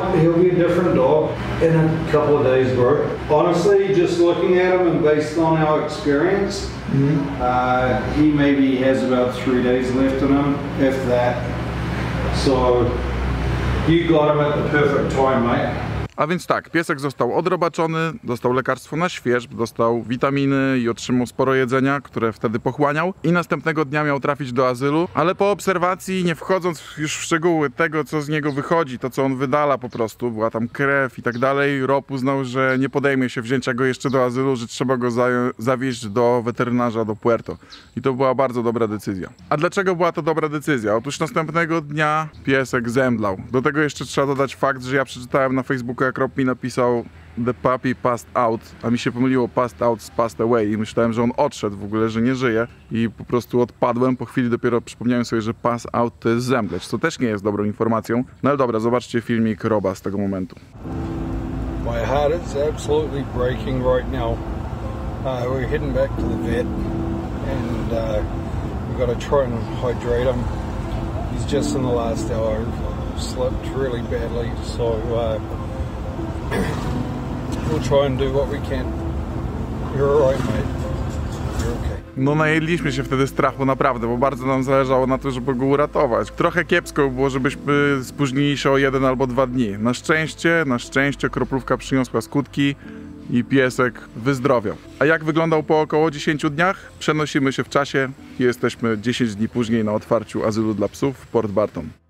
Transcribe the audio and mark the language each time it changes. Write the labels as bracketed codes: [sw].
[en] He'll be a different dog in a couple of days, bro. Honestly, just looking at him and based on our experience, he maybe has about 3 days left in him, if that. So, you got him at the perfect time, mate. [pl] A więc tak, piesek został odrobaczony, dostał lekarstwo na świeżb, dostał witaminy i otrzymał sporo jedzenia, które wtedy pochłaniał i następnego dnia miał trafić do azylu, ale po obserwacji, nie wchodząc już w szczegóły tego, co z niego wychodzi, to co on wydala po prostu, była tam krew i tak dalej, Rob uznał, że nie podejmie się wzięcia go jeszcze do azylu, że trzeba go zawieźć do weterynarza do Puerto. I to była bardzo dobra decyzja. A dlaczego była to dobra decyzja? Otóż następnego dnia piesek zemdlał. Do tego jeszcze trzeba dodać fakt, że ja przeczytałem na Facebooku, jak Rob mi napisał [en] the puppy passed out, [pl] a mi się pomyliło passed out z passed away i myślałem, że on odszedł w ogóle, że nie żyje i po prostu odpadłem, po chwili dopiero przypomniałem sobie, że pass out to jest zemdleć, co też nie jest dobrą informacją. No ale dobra, zobaczcie filmik Roba z tego momentu. [en] My heart is absolutely breaking right now. We're heading back to the vet and we've got to try and hydrate him. He's just in the last hour, slept really badly, so we'll try and do what we can. You're alright, mate. [pl] No najedliśmy się wtedy strachu naprawdę, bo bardzo nam zależało na to, żeby go uratować. Trochę kiepsko było, żebyśmy spóźnili się o 1 albo 2 dni. Na szczęście kroplówka przyniosła skutki i piesek wyzdrowiał. A jak wyglądał po około 10 dniach? Przenosimy się w czasie i jesteśmy 10 dni później na otwarciu azylu dla psów w Port Barton.